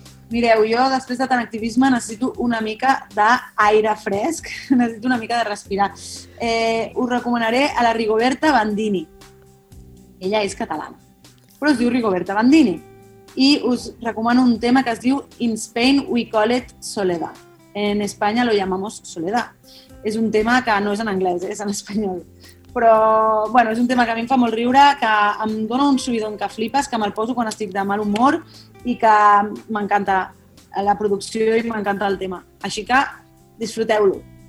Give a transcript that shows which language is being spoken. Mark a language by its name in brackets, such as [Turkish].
[Catalan] Mireu, jo després de tant activisme necessito una mica d'aire fresc, necessito una mica de respirar. Us recomanaré a la Rigoberta Bandini. Ella és catalana, però es diu Rigoberta Bandini. I us recomano un tema que es diu In Spain we call it Soledad. [Spanish] En Espanya lo llamamos Soledad. [Catalan] És un tema que no és en anglès, és en espanyol. Però, bueno, és un tema que a mi em fa molt riure, que em dona un subidon que flipes, que me'l poso quan estic de mal humor i que m'encanta la producció i m'encanta el tema. Així que disfruteu-lo.